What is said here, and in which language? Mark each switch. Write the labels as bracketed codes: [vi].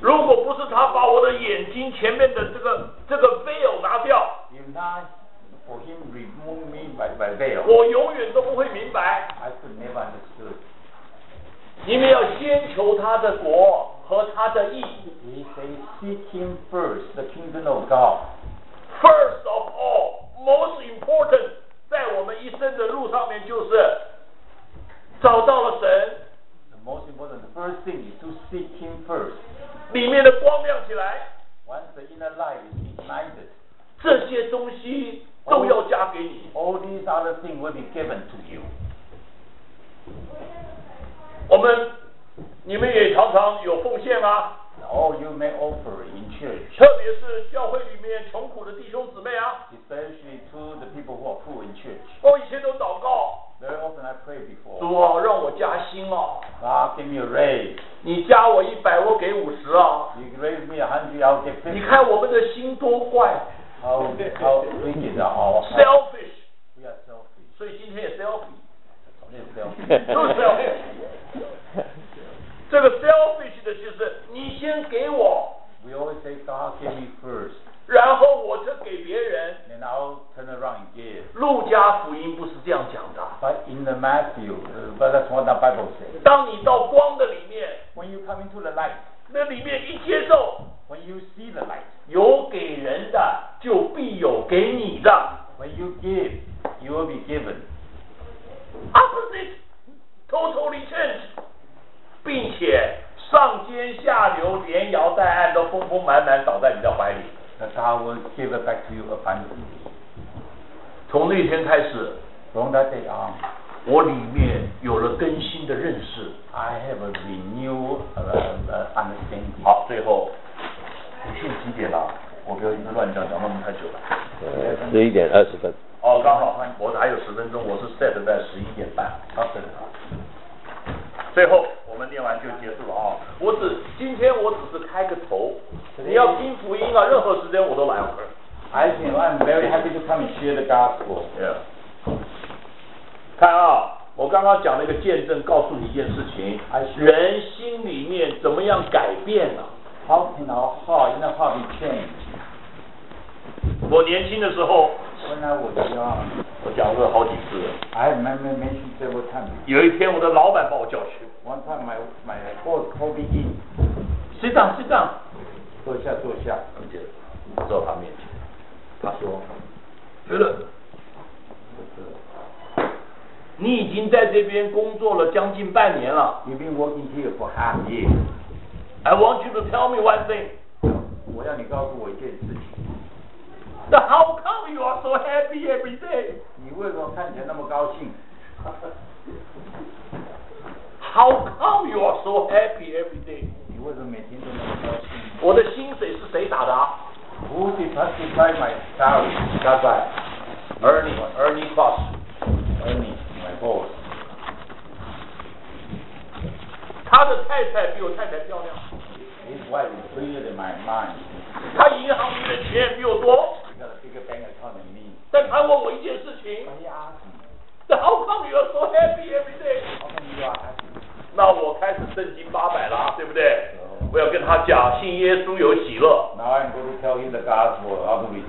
[zh] 如果不是他把我的眼睛前面的这个 veil 拿掉。 [en] If not,For him, remove me by veil. [zh] 我永远都不会明白。 [en] I could never understood. [zh] 你们要先求他的国和他的义。 [en] He said, seek him first, the kingdom of God. First of all, most important, [zh] 在我们一生的路上面就是找到了神。 [en] The most important, the first thing is to seek him first. [zh] 里面的光亮起来。 [en] Once the inner light is ignited. [zh] 这些东西都要加给你。 [en] All these other things will be given to you. [zh] 我们，你们也常常有奉献吗？ [en] Oh, you may offer in church. [zh] 特别是教会里面穷苦的弟兄姊妹啊。 [en] Especially to the people who are poor in church. [zh] 我以前都祷告。 [en] Very often I pray before. [zh] 主啊，让我加薪哦。 [en] God, give me a raise. [zh] 你加我一百，我给五十啊。 [en] You raise me a hundred, I'll get fifty. [zh] 你看我们的心多坏。 [en] How we get out? Selfish. We are selfish. [zh] 所以今天也 selfish. 都是 selfish. 这个 selfish 的就是你先给我。 [en] We always say God give me first. [zh] 然后我就给别人。 [en] And I'll turn around and give. [zh] 路加福音不是这样讲的。 [en] But in the Matthew, but that's what the Bible says. [zh] 当你到光的里面。 [en] When you come into the light. [zh] 那里面一接受。 [en] When you see the light. [zh] 有给人的就必有给你的。 [en] When you give, you will be given. Opposite, totally changed. [zh] 并且上尖下流连摇带按都丰丰满满倒在你的怀里。 [en] That God will give it back to you abundantly. [zh] 从那天开始。 [en] From that day on. [zh] 我里面有了更新的认识。 [en] I have a renewed understanding. [zh] 好，最后。不是几点了？我不要一直乱讲，讲那么太久了。 11:20。哦，刚好，我还有十分钟，我是 set 在11:30。好，对的。最后我们念完就结束了啊！今天我只是开个头。你要听福音啊，任何时间我都来。 [en] I think I'm very happy to come and share the gospel. [zh] Yeah. 看啊。我刚刚讲了一个见证，告诉你一件事情：人心里面怎么样改变呢 [en] ？How can our heart in the heart be changed？ [zh] 我年轻的时候 [en] ，When I was young， [zh] 我讲过好几次。 [en] I remember mentioned several times。 [zh] 有一天，我的老板把我叫去。 One time my boss called me in。谢长，谢长，坐下，坐下。很简单，坐他面前。他说，觉得。你已经在这边工作了将近半年了。 [en] You've been working here for half a year. I want you to tell me one thing. [zh] 我要你告诉我一件事情。 [en] The how come you are so happy every day? [zh] 你为什么看起来那么高兴？ [en] How come you are so happy every day? [zh] 你为什么每天都那么高兴？我的薪水是谁打的？ [en] Who deposited my salary? That's right. Ernie Cross. Ernie. [zh] 他的太太比我太太漂亮。 [en] His wife is prettier than my mind. [zh] 他银行里的钱比我多。 [en] He got a bigger bank account than me. [zh] 但他问我一件事情。 [en] He asked me. The how come you are so happy every day? How come you are happy? [zh] 那我开始圣经八百了，对不对？So, 我要跟他讲信耶稣有喜乐。 [en] Now I'm going to tell him the gospel of the week.